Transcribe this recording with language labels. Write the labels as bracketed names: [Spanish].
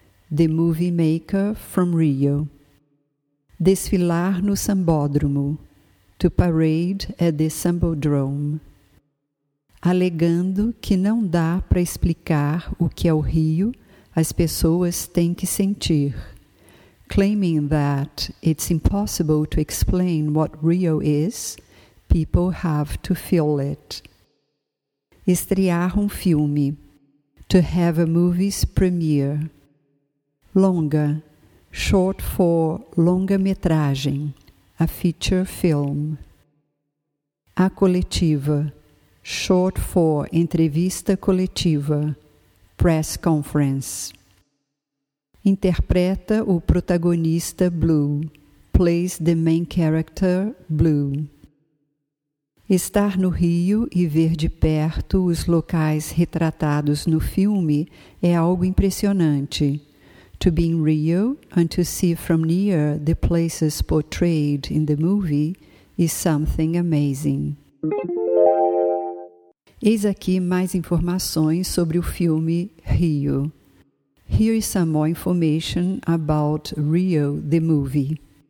[English] The movie maker from Rio. [Portuguese] Desfilar no sambódromo. [English] To parade at the sambódromo. [Portuguese] Alegando que não dá para explicar o que é o rio, as pessoas têm que sentir. [English] Claiming that it's impossible to explain what Rio is, people have to feel it. [Portuguese] Estrear um filme. [English] To have a movie's premiere. Longa, short for longa-metragem, a feature film. A coletiva, short for entrevista coletiva, press conference. [Portuguese] Interpreta o protagonista [English] Blue, plays the main character Blue. [Portuguese] Estar no Rio e ver de perto os locais retratados no filme é algo impressionante. [English] To be in Rio and to see from near the places portrayed in the movie is something amazing. [Portuguese] Eis aqui mais informações sobre o filme Rio. [English] Here is some more information about Rio, the movie.